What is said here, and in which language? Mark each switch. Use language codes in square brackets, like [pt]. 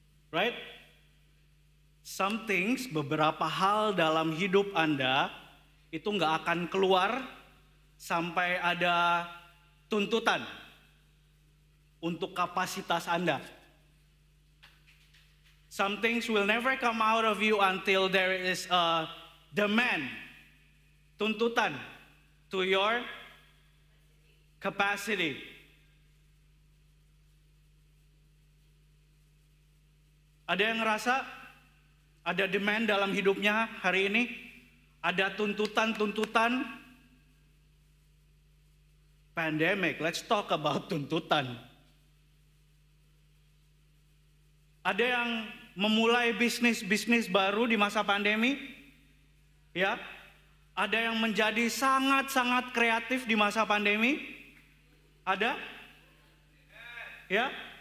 [en] Right? Some things, [id] beberapa hal dalam hidup Anda itu enggak akan keluar sampai ada tuntutan untuk kapasitas Anda. [en] Some things will never come out of you until there is a demand, tuntutan to your capacity. [id] Ada yang ngerasa ada demand dalam hidupnya hari ini? Ada tuntutan-tuntutan? [en] Pandemic, let's talk about tuntutan. [id] Ada yang memulai bisnis-bisnis baru di masa pandemi? Ya. Ada yang menjadi sangat-sangat kreatif di masa pandemi? Ada? Ya.